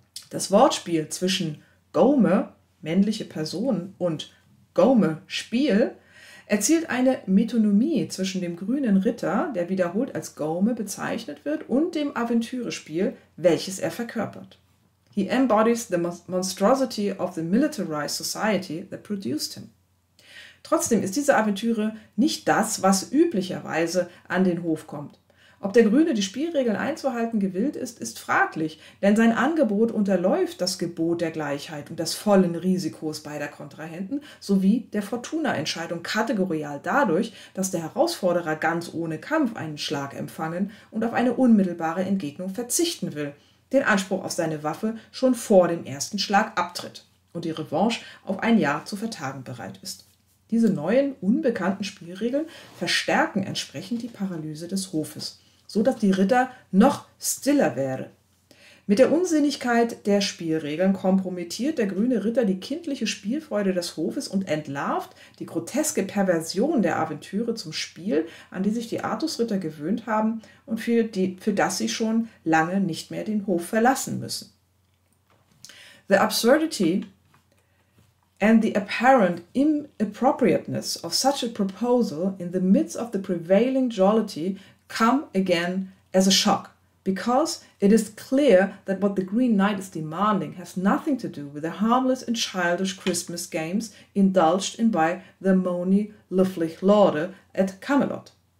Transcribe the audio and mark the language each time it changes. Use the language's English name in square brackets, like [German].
[German] Das Wortspiel zwischen Gaume, männliche Person, und Gaume, Spiel, erzielt eine Metonymie zwischen dem grünen Ritter, der wiederholt als Gaume bezeichnet wird, und dem Aventurespiel, welches er verkörpert. [English] He embodies the monstrosity of the militarized society that produced him. [German] Trotzdem ist diese Aventüre nicht das, was üblicherweise an den Hof kommt. Ob der Grüne die Spielregeln einzuhalten gewillt ist, ist fraglich, denn sein Angebot unterläuft das Gebot der Gleichheit und des vollen Risikos beider Kontrahenten sowie der Fortuna-Entscheidung kategorial dadurch, dass der Herausforderer ganz ohne Kampf einen Schlag empfangen und auf eine unmittelbare Entgegnung verzichten will, den Anspruch auf seine Waffe schon vor dem ersten Schlag abtritt und die Revanche auf ein Jahr zu vertagen bereit ist. Diese neuen, unbekannten Spielregeln verstärken entsprechend die Paralyse des Hofes, so dass die Ritter noch stiller wären. Mit der Unsinnigkeit der Spielregeln kompromittiert der grüne Ritter die kindliche Spielfreude des Hofes und entlarvt die groteske Perversion der Aventüre zum Spiel, an die sich die Artusritter gewöhnt haben und für das sie schon lange nicht mehr den Hof verlassen müssen. [English] The absurdity and the apparent inappropriateness of such a proposal in the midst of the prevailing jollity come again as a shock, because it is clear that what the Green Knight is demanding has nothing to do with the harmless and childish Christmas games indulged in by the Moni Lüfflich Lorde at Camelot.